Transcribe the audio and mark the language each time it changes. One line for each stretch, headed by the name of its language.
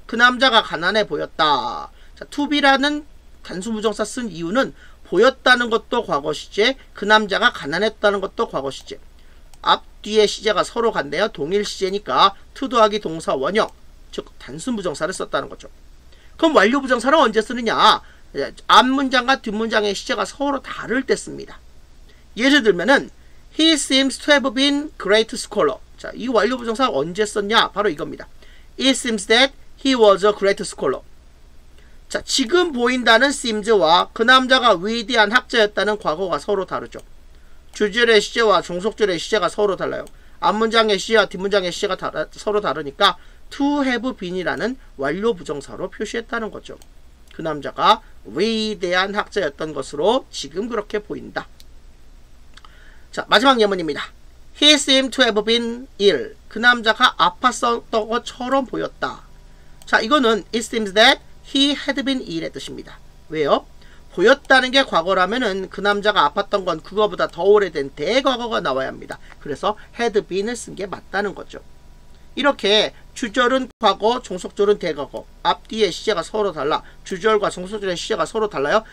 Korean: 그 남자가 가난해 보였다. 자, to be라는 단순 부정사 쓴 이유는 보였다는 것도 과거 시제, 그 남자가 가난했다는 것도 과거 시제. 앞 뒤의 시제가 서로 간대요. 동일 시제니까 to 더하기 동사 원형, 즉 단순 부정사를 썼다는 거죠. 그럼 완료 부정사는 언제 쓰느냐? 앞 문장과 뒷 문장의 시제가 서로 다를 때 씁니다. 예를 들면은
English: He seems to have been great scholar.
Korean: 자, 이 완료 부정사 언제 썼냐? 바로 이겁니다.
English: It seems that he was a great scholar.
Korean: 자, 지금 보인다는 seems와 그 남자가 위대한 학자였다는 과거가 서로 다르죠. 주절의 시제와 종속절의 시제가 서로 달라요. 앞문장의 시제와 뒷문장의 시제가 서로 다르니까 to have been이라는 완료 부정사로 표시했다는 거죠. 그 남자가 위대한 학자였던 것으로 지금 그렇게 보인다. 자, 마지막 예문입니다.
English: He seemed to have been ill.
Korean: 그 남자가 아팠었던 것처럼 보였다. 자, 이거는
English: it seems that he had been ill
Korean: 의 뜻입니다. 왜요? 보였다는 게 과거라면은 그 남자가 아팠던 건 그거보다 더 오래된 대과거가 나와야 합니다. 그래서 had been을 쓴 게 맞다는 거죠. 이렇게 주절은 과거, 종속절은 대과거. 앞뒤의 시제가 서로 달라. 주절과 종속절의 시제가 서로 달라요.